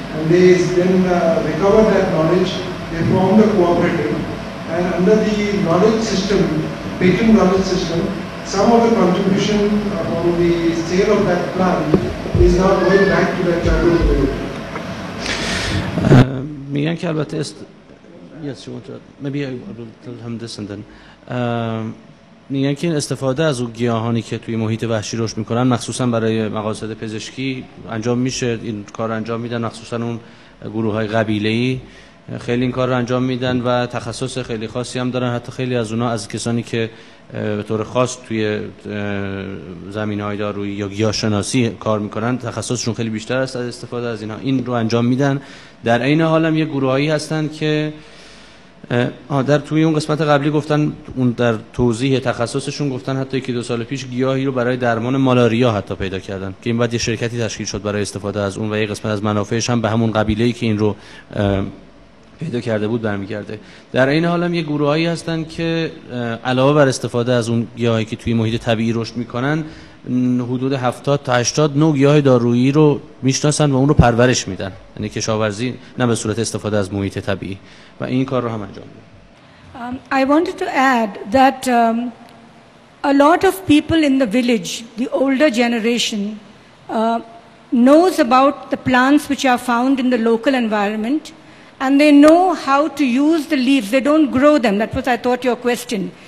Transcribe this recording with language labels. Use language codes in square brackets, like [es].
[en] And they then recovered that knowledge, they formed a cooperative, and under the knowledge system, patent knowledge system, some of the contribution from the sale of that plant is now going back to that tribal community. Yes, you want to. Maybe I will tell him this and then. [fa] میگن که این استفاده از اون گیاهانی که توی محیط وحشی رشد میکنن مخصوصا برای مقاصد پزشکی انجام میشه، این کار انجام میدن، مخصوصا اون گروه‌های قبیله‌ای خیلی این کار رو انجام میدن و تخصص خیلی خاصی هم دارن. حتی خیلی از اونا از کسانی که به طور خاص توی زمین‌های دارویی یا گیاه‌شناسی کار میکنن تخصصشون خیلی بیشتر است از استفاده از اینها. این رو انجام میدن. در این حال هم یه گروه‌هایی هستن که در توی اون قسمت قبلی گفتن، اون در توضیح تخصصشون گفتن حتی یکی دو سال پیش گیاهی رو برای درمان مالاریا حتی پیدا کردن که این بعد یه شرکتی تشکیل شد برای استفاده از اون و یه قسمت از منافعش هم به همون قبیله‌ای که این رو پیدا کرده بود برمیگرده. در این حال هم یه گروهایی هستن که علاوه بر استفاده از اون گیاهی که توی محیط طبیعی رشد میکنن، حدود 70 تا 80 نوع گیاه دارویی رو میشناسن و اون رو پرورش میدن، یعنی کشاورزی نه به صورت استفاده از محیط طبیعی، و این کار رو هم انجام میدن. [en] I wanted to add that a lot of people in the village, the older generation, knows about the plants which are found in the local environment. And they know how to use the leaves. They don't grow them. That was, I thought, your question.